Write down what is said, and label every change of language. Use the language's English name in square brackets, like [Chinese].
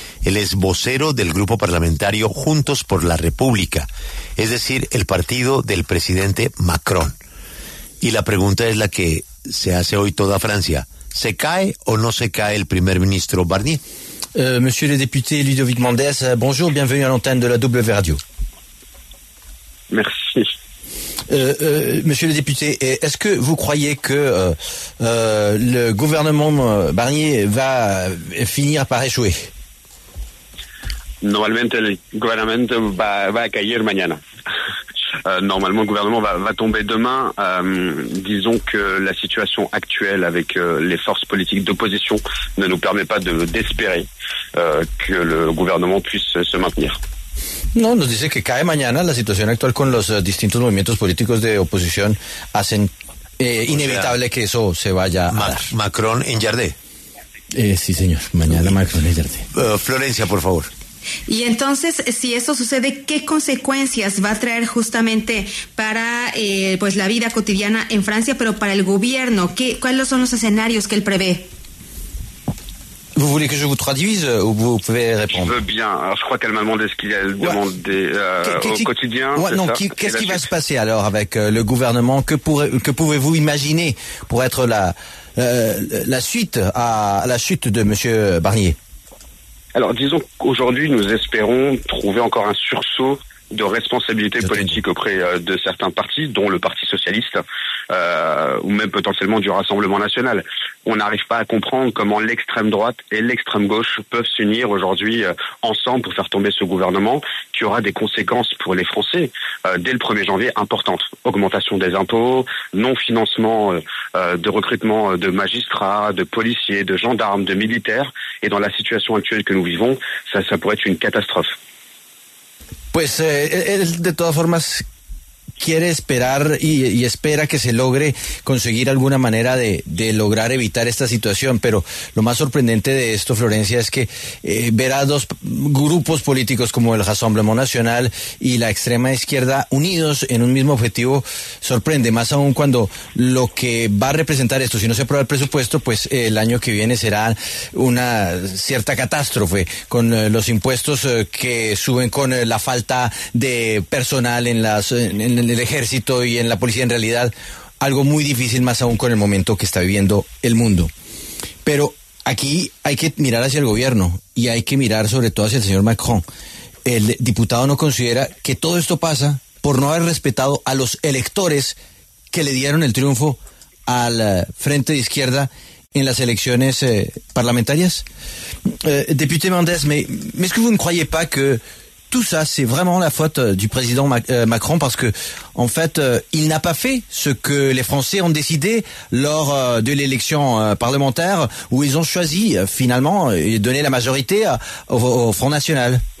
[Spanish] Él es vocero del grupo parlamentario Juntos por la República, es decir, el partido del presidente Macron. Y la pregunta es la que se hace hoy toda Francia. ¿Se cae o no se cae el primer ministro Barnier? [French] Monsieur le député Ludovic Méndez, bonjour, bienvenue à l'antenne de la W Radio. Merci. Monsieur le député, est-ce que vous croyez que le gouvernement Barnier va finir par échouer? Normalement, le gouvernement va [Spanish] caer mañana. [French] Normalement, le gouvernement va tomber demain. Disons que la situation actuelle avec les forces politiques d'opposition ne nous permet pas d'espérer que le gouvernement puisse se maintenir. [Spanish] No, nos dice que cae mañana. La situación actual con los distintos movimientos políticos de oposición hacen inevitable, o sea, que eso se vaya a dar. Macron en Yardé. Sí, señor. Mañana Macron en Yardé. Florencia, por favor. Y entonces, si eso sucede, ¿qué consecuencias va a traer justamente para pues la vida cotidiana en Francia, pero para el gobierno? ¿Cuáles son los escenarios que él prevé? [French] Vous voulez que je vous traduise ou vous pouvez répondre? Je veux bien. Alors, je crois qu'elle m'a demandé ce qu'il y a demandé au quotidien. Qu'est-ce qui va se passer alors avec le gouvernement? Que pouvez-vous imaginer pour être la suite à la chute de Monsieur Barnier? Alors, disons qu'aujourd'hui, nous espérons trouver encore un sursaut de responsabilité politique auprès de certains partis, dont le Parti Socialiste, ou même potentiellement du Rassemblement National. On n'arrive pas à comprendre comment l'extrême droite et l'extrême gauche peuvent s'unir aujourd'hui ensemble pour faire tomber ce gouvernement, qui aura des conséquences pour les Français dès le 1er janvier importantes. Augmentation des impôts, non-financement de recrutement de magistrats, de policiers, de gendarmes, de militaires, et dans la situation actuelle que nous vivons, ça pourrait être une catastrophe. [Spanish] Pues él de todas formas quiere esperar y espera que se logre conseguir alguna manera de lograr evitar esta situación, pero lo más sorprendente de esto, Florencia, es que verá dos grupos políticos como el Rassemblement National y la extrema izquierda unidos en un mismo objetivo sorprende, más aún cuando lo que va a representar esto, si no se aprueba el presupuesto, pues el año que viene será una cierta catástrofe con los impuestos que suben, con la falta de personal en el ejército y en la policía, en realidad algo muy difícil, más aún con el momento que está viviendo el mundo. Pero aquí hay que mirar hacia el gobierno y hay que mirar sobre todo hacia el señor Macron. El diputado no considera que todo esto pasa por no haber respetado a los electores que le dieron el triunfo al frente de izquierda en las elecciones parlamentarias. [French] Député Méndez, ¿me es que vous ne croyez pas que tout ça, c'est vraiment la faute du président Macron, parce que, en fait, il n'a pas fait ce que les Français ont décidé lors de l'élection parlementaire, où ils ont choisi, finalement, et donné la majorité au Front National.